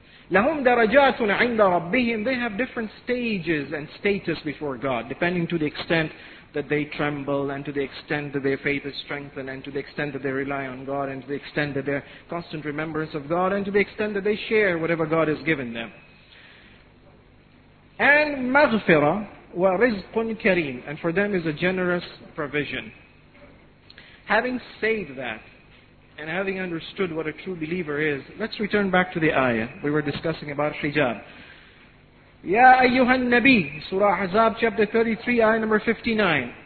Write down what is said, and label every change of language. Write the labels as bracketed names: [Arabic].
[Arabic] لَهُمْ دَرَجَاتٌ عِنْدَ رَبِّهِمْ. [English] They have different stages and status before God, depending to the extent that they tremble, and to the extent that their faith is strengthened, and to the extent that they rely on God, and to the extent that their constant remembrance of God, and to the extent that they share whatever God has given them. [Arabic] And مَغْفِرَةٌ وَرِزْقٌ كَرِيمٌ. [English] And for them is a generous provision. Having said that, and having understood what a true believer is, let's return back to the ayah we were discussing about hijab. [Arabic] Ya ayyuhan nabi, [English] Surah Ahzab, chapter 33, ayah number 59.